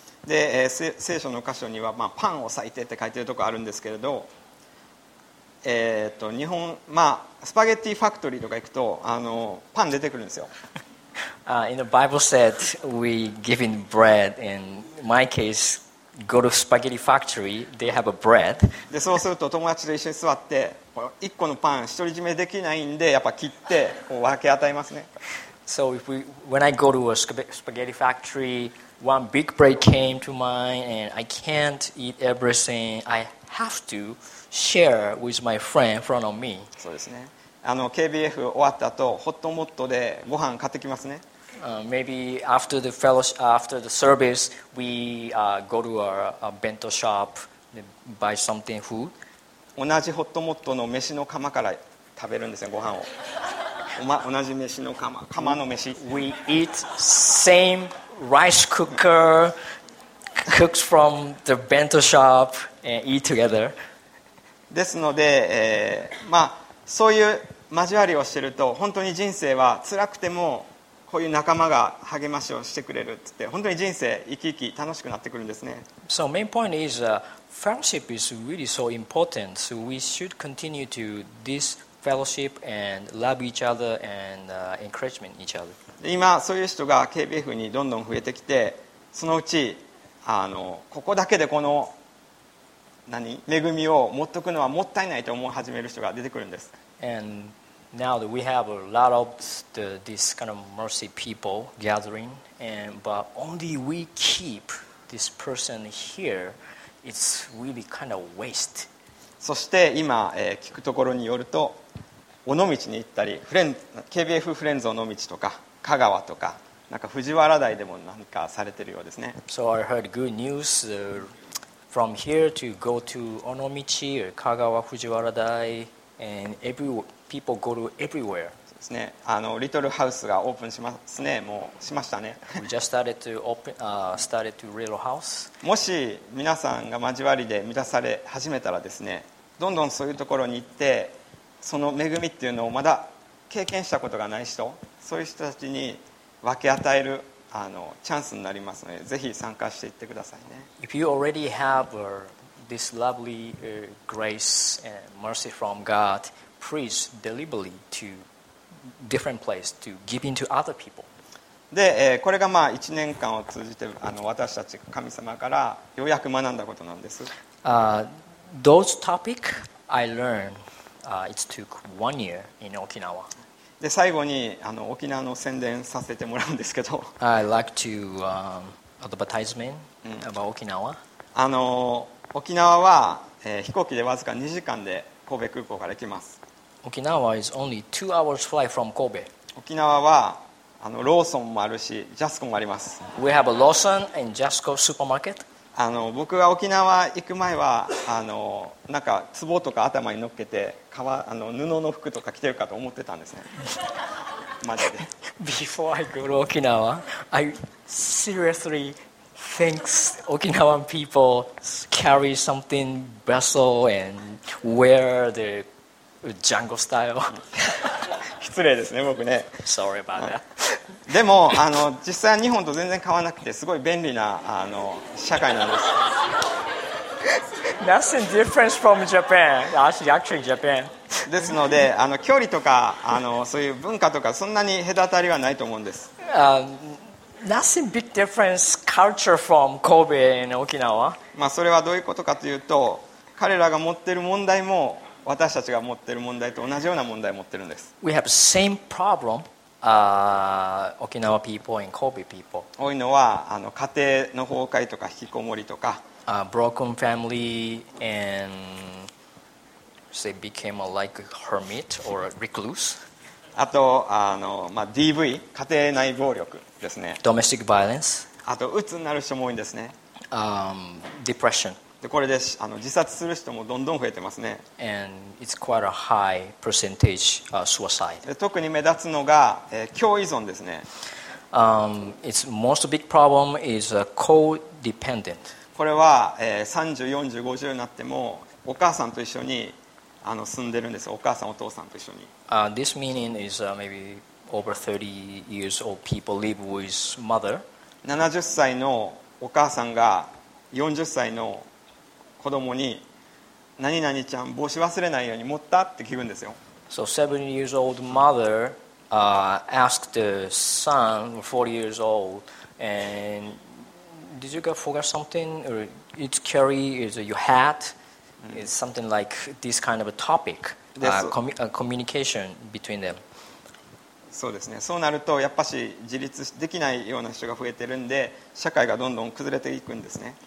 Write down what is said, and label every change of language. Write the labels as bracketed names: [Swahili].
[Japanese] で、聖書の箇所には、パンを裂いてって書いてるところあるんですけれど、日本、スパゲッティファクトリーとか行くとパン出てくるんですよ。 [English] In the Bible said we giving bread, in my case. Go to spaghetti factory. They have a bread. [Japanese] で、そうすると友達と一緒に座って、1個のパン独り占めできないんで、やっぱ切ってこう分け与えますね。 [English] So if we, when I go to a spaghetti factory, one big break came to mind, and I can't eat everything. I have to share with my friend in front of me. [Japanese] そうですね。あの KBF 終わった後、ホットモットでご飯買ってきますね。 [English] Maybe after the fellowship, after the service, we go to a bento shop and buy something food. [Japanese] 同じホットモットの飯の釜から食べるんですね、ご飯を。同じ飯の釜、釜の飯。 [English] We eat same rice cooker cooks from the bento shop and eat together. [Japanese] ですので、まあそういう交わりをしてると、本当に人生は辛くても。こういう仲間が励ましをしてくれるって言って本当に人生生き生き楽しくなってくるんですね。 [English] So main point is fellowship is really so important. So we should continue to this fellowship and love each other and encouragement each other. [Japanese] 今そういう人が KBF にどんどん増えてきて、そのうちあのここだけでこの何恵みを持っとくのはもったいないと思い始める人が出てくるんです。 [English] And now that we have a lot of the, this kind of mercy people gathering, and but only we keep this person here, it's really kind of waste. [Japanese] そして今、聞くところによると、尾道に行ったり、KBF フレンズ尾道とか香川とか、なんか藤原台でもなんかされてるようですね。 [English] So I heard good news from here to go to 尾道 or 香川藤原台 and everywhere. People go to everywhere. [Japanese] ですね。あのリトルハウスがオープンしますね。もうしましたね。 [English] We just started to open, started to real house. [Japanese] もし皆さんが交わりで満たされ始めたらですね、どんどんそういうところに行って、その恵みっていうのをまだ経験したことがない人、そういう人たちに分け与えるあのチャンスになりますので、ぜひ参加していってくださいね。 [English] If you already have this lovely grace and mercy from God. Preach deliberately to different place to giving to other people. [Japanese] で、これがまあ1年間を通じてあの私たち神様からようやく学んだことなんです。 [English] Those topic I learned, it took one year in Okinawa. [Japanese] で、最後にあの沖縄の宣伝させてもらうんですけど。 [English] I like to advertisement about Okinawa. [Japanese] あの沖縄は、飛行機でわずか2時間で神戸空港から行きます。 [English] Okinawa is only 2 hours flight from Kobe. [Japanese] 沖縄はあのローソンもあるし、ジャスコもあります。 [English] We have a Lawson and Jasco supermarket. [Japanese] あの僕が沖縄行く前はあのなんか壺とか頭に乗っけて革あの布の服とか着てるかと思ってたんですね。マジで。 [English] Before I go to Okinawa, I seriously thinks Okinawan people carry something vessel and wear the. [Japanese] ジャンゴスタイル失礼ですね僕ね [English] Sorry about that. [Japanese] でもあの実際は日本と全然変わらなくてすごい便利なあの社会なんです [English] Nothing different from Japan. Actually Japan. [Japanese] ですのであの距離とかあのそういう文化とかそんなに隔たりはないと思うんです、 [English] Nothing big difference culture from Kobe and Okinawa、 [Japanese] まあ、それはどういうことかというと彼らが持っている問題も私たちが持っている問題と同じような問題を持っているんです。 [English] We have same problem, Okinawa people and Kobe people. [Japanese] 多いのはあの家庭の崩壊とか引きこもりとか、 [English] broken family and say became like a hermit or a recluse. [Japanese] あとあの、まあ、DV 家庭内暴力ですね。 [English] Domestic violence. [Japanese] あと鬱になる人も多いんですね。 [English] Depression. [Japanese] でこれであの自殺する人もどんどん増えてますね。 [English] And it's quite a high percentage suicide. [Japanese] 特に目立つのが、強依存ですね。 [English] Its most big problem is codependent. [Japanese] これは、30、40、50になってもお母さんと一緒にあの住んでるんです。お母さん、お父さんと一緒に。 [English] This meaning is maybe over 30 years old people live with mother. [Japanese] 70歳のお母さんが40歳の子供に何々ちゃん帽子忘れないように持ったって聞くんですよ。 [English] So 70 years old mother asked the son 40 years old and did you forget something or it's carry is your hat is something like this kind of a topic communication between them. [Japanese] そうですね。そうなるとやっぱり自立できないような人が増えてるんで、社会がどんどん崩れていくんですね。